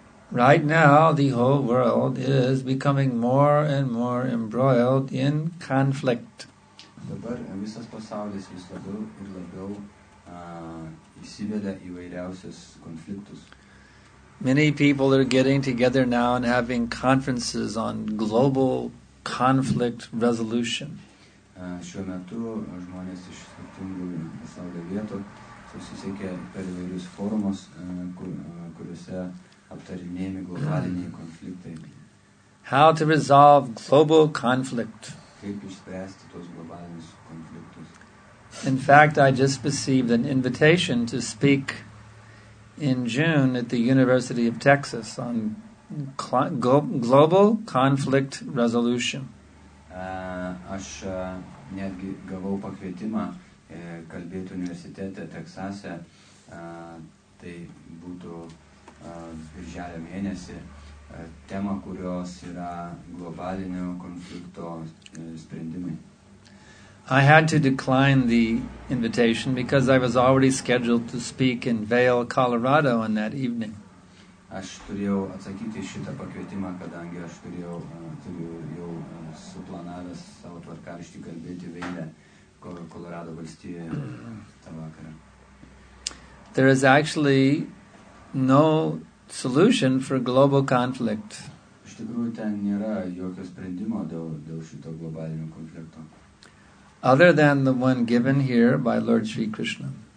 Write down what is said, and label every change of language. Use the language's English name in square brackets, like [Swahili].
[English] Right now, the whole world is becoming more and more embroiled in conflict. [Lithuanian] Dabar visas pasaulis vis labiau ir labiau įsiveda įvairiausius konfliktus. [English] Many people are getting together now and having conferences on global conflict resolution. [Lithuanian] Šiuo metu žmonės iš skirtingų pasaulio vietų susisiekia per įvairius forumus, kuriuose aptarinėjami globaliniai konfliktai. [English] How to resolve global conflict. [Lithuanian] Kaip išspręsti tos globalinius konfliktus. [English] In fact, I just received an invitation to speak in June at the University of Texas on global conflict resolution. [Lithuanian] Aš netgi gavau pakvietimą kalbėti universitete Teksase. Tai būtų birželio mėnesį tema, kurios yra globalinio konflikto sprendimai. [English] I had to decline the invitation because I was already scheduled to speak in Vail, Colorado on that evening. [Lithuanian] Aš turėjau atsakyti šitą pakvietimą, kadangi aš turėjau jau suplanavęs savo tvarkaraštį kalbėti Vail'e, Colorado valstijoje tą vakarą. [English] There is actually no solution for global conflict. [Lithuanian] Iš tikrųjų ten nėra jokio sprendimo dėl šito globalinio konflikto. [English] Other than the one given here by Lord Sri Krishna.